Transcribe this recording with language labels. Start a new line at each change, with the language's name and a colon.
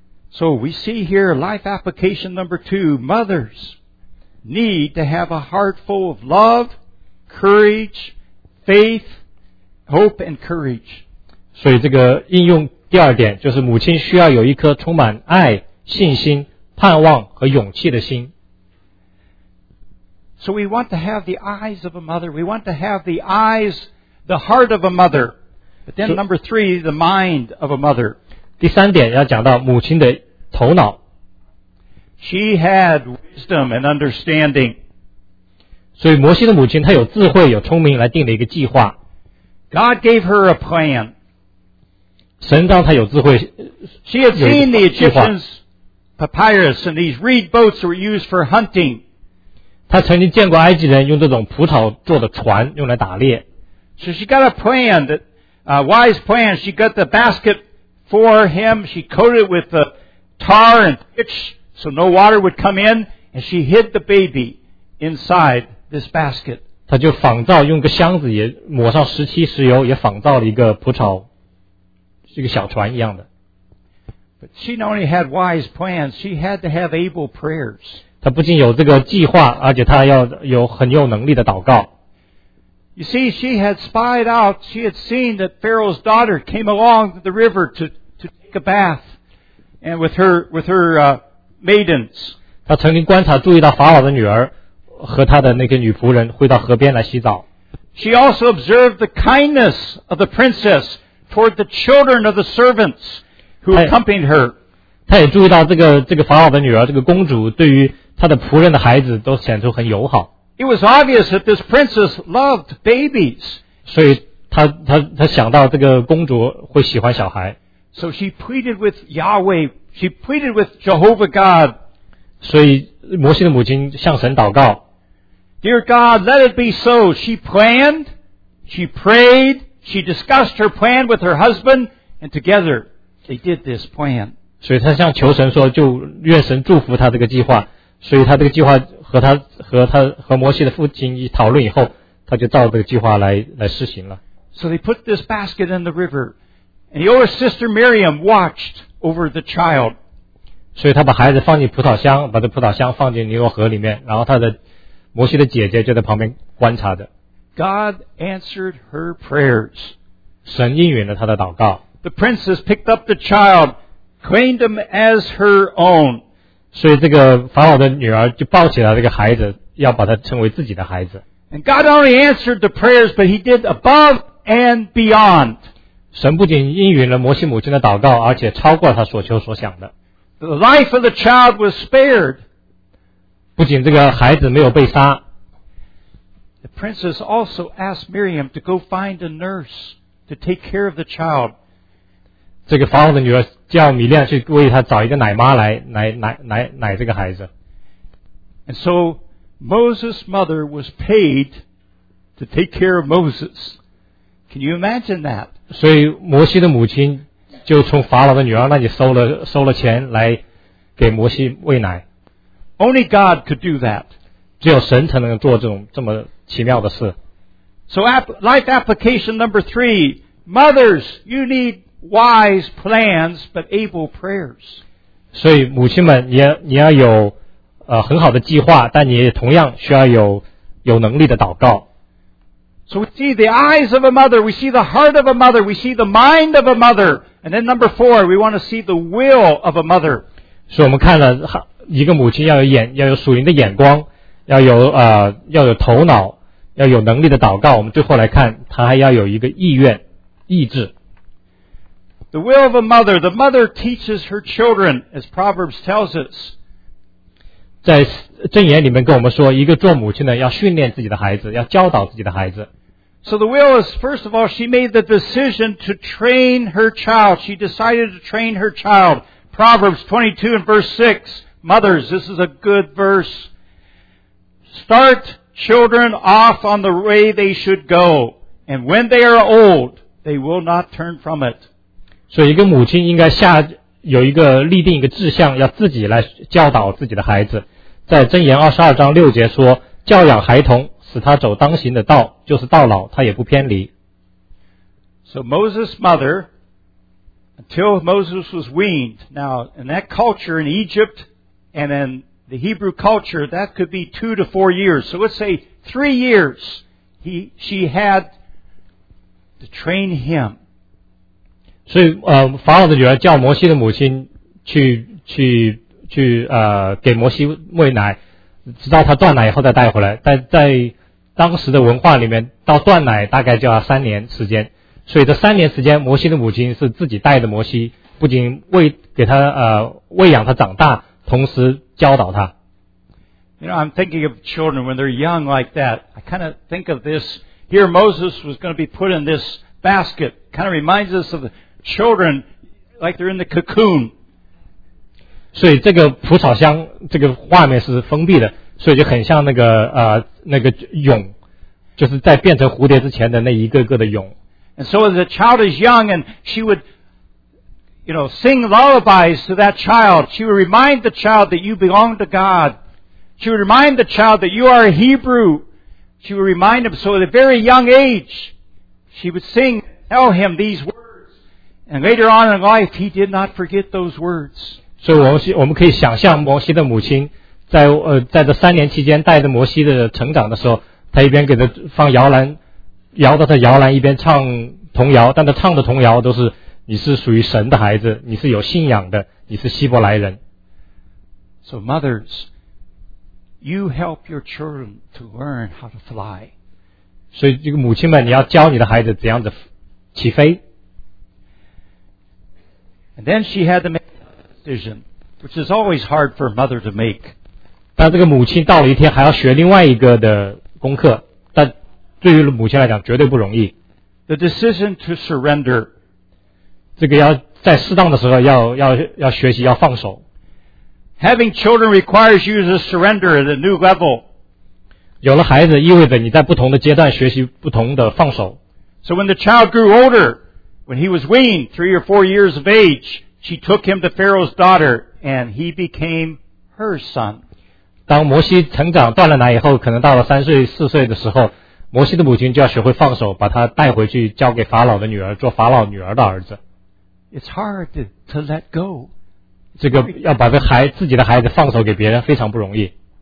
English: So we see here life application number two. Mothers need to have a heart full of love, courage, faith, hope and courage.
Chinese: 所以这个应用第二点就是母亲需要有一颗充满爱、信心、盼望和勇气的心。
English: So we want to have the eyes of a mother. We want to have the eyes, the heart of a mother. But then number three, the mind of a mother.
Chinese: 第三点要讲到母亲的头脑。
English: She had wisdom and understanding.
Chinese: 所以摩西的母亲她有智慧有聪明来定了一个计划。
English: God gave her a plan.
Chinese: 神让她有智慧。
English: She had seen the Egyptians papyrus and these reed boats were used for hunting.
Chinese: 她曾经见过埃及人用这种葡萄做的船用来打猎。
English: So she got a plan that A wise plan. She got the basket for him. She coated it with the tar and pitch so no water would come in. And she hid the baby inside this basket.
Chinese: 她就仿造用个箱子也抹上石漆石油也仿造了一个蒲草一个小船一样的。
English: But she not only had wise plans, she had to have able prayers.
Chinese: 她不仅有这个计划而且她要有很有能力的祷告。
English: You see, she had spied out, she had seen that Pharaoh's daughter came along the river to take a bath and with her maidens.
Chinese: 她曾经观察注意到法老的女儿和她的那个女仆人会到河边来洗澡。
English: She also observed the kindness of the princess toward the children of the servants who accompanied her.
Chinese: 她也注意到这个法老的女儿这个公主对于她的仆人的孩子都显出很友好。
English: It was obvious that this princess loved babies.
Chinese: 所以她想到这个公主会喜欢小孩。
English: So she pleaded with Yahweh. She pleaded with Jehovah God.
Chinese: 所以摩西的母亲向神祷告。
English: Dear God, let it be so. She planned, she prayed, she discussed her plan with her husband, and together they did this plan.
Chinese: 所以她向求神说，就愿神祝福她这个计划。所以她这个计划和摩西的父亲一讨论以后，他就照这个计划来施行了。
English: So they put this basket in the river, and the older sister Miriam watched over the child.
Chinese: 所以他把孩子放进葡萄箱，把这葡萄箱放进尼罗河里面，然后他的摩西的姐姐就在旁边观察着。
English: God answered her prayers.
Chinese: 神应允了她的祷告。
English: The princess picked up the child, claimed him as her own.
Chinese: 所以这个法老的女儿就抱起了这个孩子，要把他称为自己的孩子。
English: And God only answered the prayers, but he did above and beyond.
Chinese: 神不仅应允了摩西母亲的祷告，而且超过了他所求所想的。
English: The life of the child was spared.
Chinese: 不仅这个孩子没有被杀。
English: The princess also asked Miriam to go find a nurse to take care of the child.
Chinese: 这个法老的女儿叫米亮去为他找一个奶妈来奶这个孩子。
English: And so Moses' mother was paid to take care of Moses. Can you imagine that?
Chinese: 所以摩西的母亲就从法老的女儿那里收了钱来给摩西喂奶。
English: Only God could do that.
Chinese: 只有神才能做这么奇妙的事。
English: So life application number three, mothers, you need wise plans but able prayers.
Chinese: 所以母亲们，你要有很好的计划，但你也同样需要有能力的祷告。
English: So we see the eyes of a mother, we see the heart of a mother, we see the mind of a mother, and then number four, we want to see the will of a mother.
Chinese: 所以我们看了一个母亲要有属灵的眼光，要有头脑，要有能力的祷告。我们最后来看，她还要有一个意愿、意志。
English: The will of a mother, the mother teaches her children, as Proverbs tells us.
Chinese: 在箴言里面跟我们说，一个做母亲的要训练自己的孩子，要教导自己的孩子。
English: So the will is, first of all, she made the decision to train her child. She decided to train her child. Proverbs 22 and verse 6. Mothers, this is a good verse. Start children off on the way they should go, and when they are old, they will not turn from it.
Chinese: 所以一个母亲应该下有一个立定一个志向，要自己来教导自己的孩子。在箴言22章6节说，教养孩童，使他走当行的道，就是到老他也不偏离。
English: So Moses' mother, until Moses was weaned, now in that culture in Egypt and in the Hebrew culture, that could be 2 to 4 years. So let's say 3 years she had to train him.
Chinese: 所以法老的女儿叫摩西的母亲去给摩西喂奶，直到他断奶以后再带回来。但在当时的文化里面，到断奶大概就要三年时间，所以这三年时间，摩西的母亲是自己带着摩西，不仅喂养他长大，同时教导他。
English: You know, I'm thinking of children when they're young like that. I kind of think of this. Here, Moses was going to be put in this basket. Kind of reminds us of the children, like they're in the cocoon.
Chinese: 所以这个蒲草箱这个画面是封闭的，所以就很像那个蛹，就是在变成蝴蝶之前的那一个个的蛹。
English: And so the child is young, and she would, you know, sing lullabies to that child. She would remind the child that you belong to God. She would remind the child that you are a Hebrew. She would remind him. So at a very young age, she would sing, tell him these words. And later on in life, he did not forget those words.
Chinese: 所以我们可以想象摩西的母亲在这三年期间带着摩西的成长的时候，他一边给他放摇篮，摇到他摇篮一边唱童谣，但他唱的童谣都是你是属于神的孩子，你是有信仰的，你是希伯来人。
English: So mothers, you help your children to learn how to fly.
Chinese: 所以这个母亲们，你要教你的孩子怎样的起飞。
English: And then she had to make. Decision, which is always hard for a mother to make.
Chinese: 但这个母亲到了一天还要学另外一个的功课，但对于母亲来讲绝对不容易。
English: The decision to surrender.
Chinese: 这个要在适当的时候要学习要放手。
English: Having children requires you to surrender at a new level.
Chinese: 有了孩子意味着你在不同的阶段学习不同的放手。
English: So when the child grew older, when he was weaned, 3 or 4 years of age,She took him to Pharaoh's daughter, and he became her son.
Chinese: 当摩西成长断了奶以后，可能到了3岁、4岁的时候，摩西的母亲就要学会放手，把他带回去交给法老的女儿，做法老女儿的儿子。
English: It's hard to let go.
Chinese: 这个要把自己的孩子放手给别人，非常不容易。